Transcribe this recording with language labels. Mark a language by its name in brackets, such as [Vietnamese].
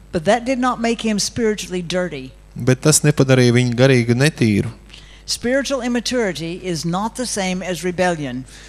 [English] But that did not make him spiritually dirty. [Latvian] Bet tas nepadarīja viņu garīgi netīru. [English] Spiritual immaturity is not the same as rebellion.